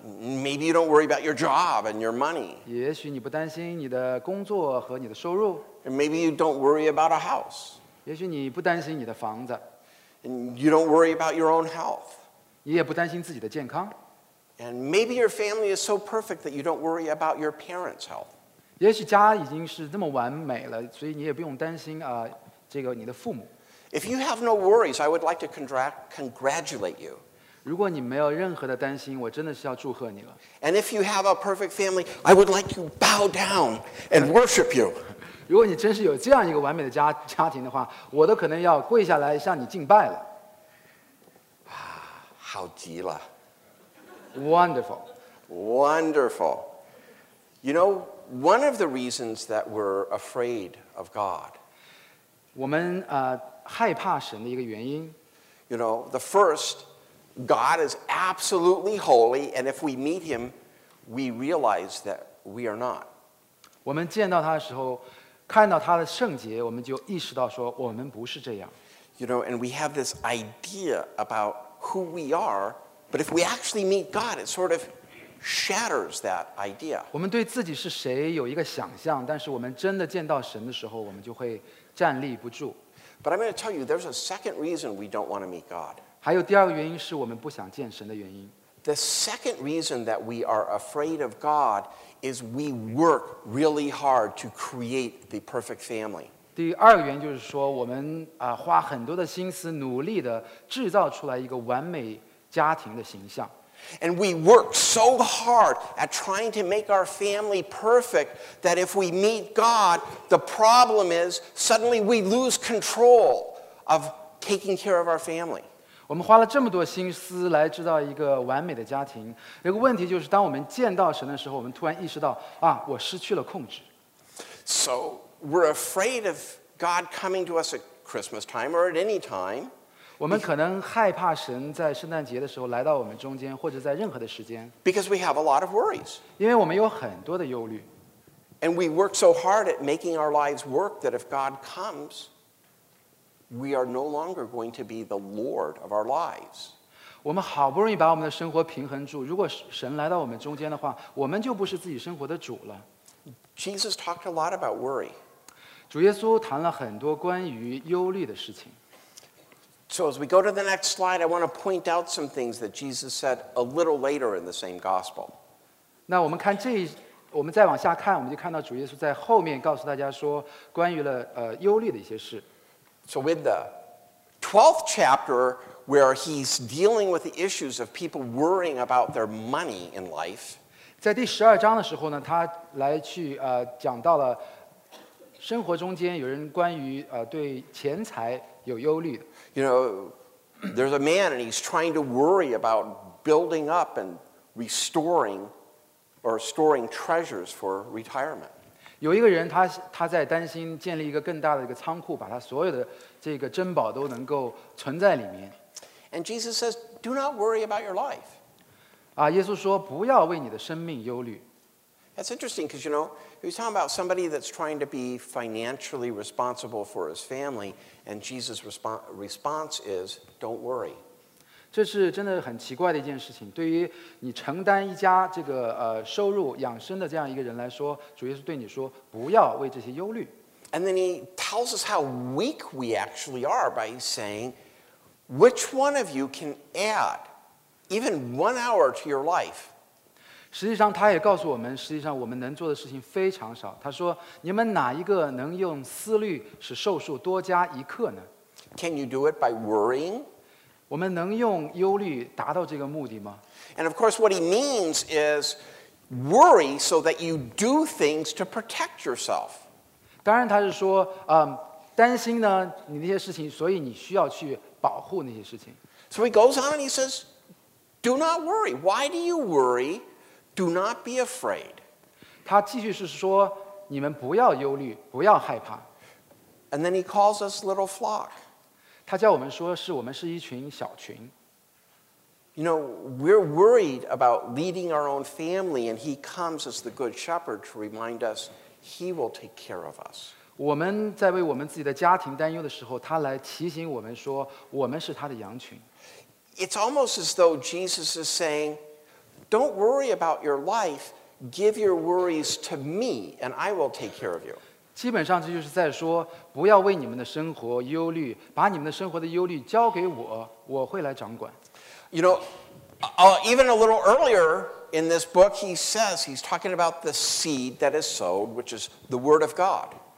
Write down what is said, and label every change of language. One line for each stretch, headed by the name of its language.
English: Maybe you don't worry about your job and your money.
Chinese: 也许你不担心你的工作和你的收入。
English: And maybe you don't worry about a house.
Chinese: 也许你不担心你的房子。
English: And you don't worry about your own health.
Chinese: 你也不担心自己的健康。
English: And maybe your family is so perfect that you don't worry about your parents' health.
Chinese: 也许家已经是那么完美了，所以你也不用担心啊，这个你的父母。
English: If you have no worries, I would like to congratulate you.
Chinese: 如果你没有任何的担心，我真的是要祝贺你了。
English: And if you have a perfect family, I would like to bow down and worship you.
Chinese: 如果你真是有这样一个完美的家庭的话，我都可能要跪下来向你敬拜了。好极了
English: Wonderful. Wonderful. You know, one of the reasons that we're afraid of God.
Chinese: 我们害怕神的一个原因
English: You know, the first, God is absolutely holy, and if we meet him, we realize that we are not.
Chinese: 我们见到他的时候，看到他的圣洁，我们就意识到说我们不是这样
English: You know, and we have this idea aboutwho we are, but if we actually meet God, it sort of shatters that idea.
Chinese: 我们对自己是谁有一个想象，但是我们真的见到神的时候，我们就会站立不住。
English: But I'm going to tell you, there's a second reason we don't want to meet God.
Chinese: 还有第二个原因是我们不想见神的原因。
English: The second reason that we are afraid of God is we work really hard to create the perfect family.
Chinese: 第二个原因就是说我们花很多的心思努力地制造出来一个完美家庭的形象。
English: And we work so hard at trying to make our family perfect that if we meet God, the problem is suddenly we lose control of taking care of our family.
Chinese: 我们花了这么多心思来制造一个完美的家庭，一个问题就是当我们见到神的时候，我们突然意识到啊，我失去了控制。
English: So,We're afraid of God coming to us at Christmas time or at any time.
Chinese: 我们可能害怕神在圣诞节的时候来到我们中间，或者在任何的时间。
English: Because we have a lot of worries.
Chinese: 因为我们有很多的忧虑。
English: And we work so hard at making our lives work that if God comes, we are no longer going to be the Lord of our lives.
Chinese: 我们好不容易把我们的生活平衡住，如果神来到我们中间的话，我们就不是自己生活的主了。
English: Jesus talked a lot about worry.
Chinese: 主耶稣谈了很多关于忧虑的事情。
English: So as we go to the next slide, I want to point out some things that Jesus said a little later in the same gospel.
Chinese: 那我们看这一，我们再往下看，我们就看到主耶稣在后面告诉大家说关于了忧虑的一些事。
English: So with the 12th chapter,where he's dealing with the issues of people worrying about their money in life.
Chinese: 在第十二章的时候呢，他来去讲到了生活中间有人关于对钱财有忧虑的。
English: You know, there's a man and he's trying to worry about building up and restoring or storing treasures for retirement.
Chinese: 有一个人他在担心建立一个更大的一个仓库，把他所有的这个珍宝都能够存在里面。
English: And Jesus says, "Do not worry about your life."
Chinese: 啊，耶稣说不要为你的生命忧虑。
English: That's interesting because you know he's talking about somebody that's trying to be financially responsible for his family, and Jesus' response is, "Don't worry."
Chinese: 这是真的很奇怪的一件事情。对于你承担一家这个收入养生的这样一个人来说，主耶稣对你说不要为这些忧虑。
English: And then he tells us how weak we actually are by saying. Which one of you can add even 1 hour to your life?
Chinese: 实际上他也告诉我们，实际上我们能做的事情非常少。他说，你们哪一个能用思虑使寿数多加一刻呢？
English: Can you do it by worrying?
Chinese: 我们能用忧虑达到这个目的吗？
English: And of course what he means is worry so that you do things to protect yourself.
Chinese: 当然他是说，担心呢，你那些事情，所以你需要去保护那些事情。
English: So he goes on and he says, "Do not worry. Why do you worry? Do not be afraid."
Chinese: 他继续是说，你们不要忧虑，不要害怕。
English: And then he calls us little flock.
Chinese: 他叫我们说，是我们是一群小群。
English: You know, we're worried about leading our own family, and he comes as the good shepherd to remind us he will take care of us.
Chinese: 我们在为我们自己的家庭担忧的时候，他来提醒我们说，我们是他的羊群。
English: It's almost as though Jesus is saying, "Don't worry about your life. Give your worries to me, and I will take care of you."
Chinese: 基本上这就是在说，不要为你们的生活忧虑，把你们的生活的忧虑交给我，我会来掌管。
English: You know, even a little earlier in this book, he says he's talking about the seed that is sowed, which is the word of God.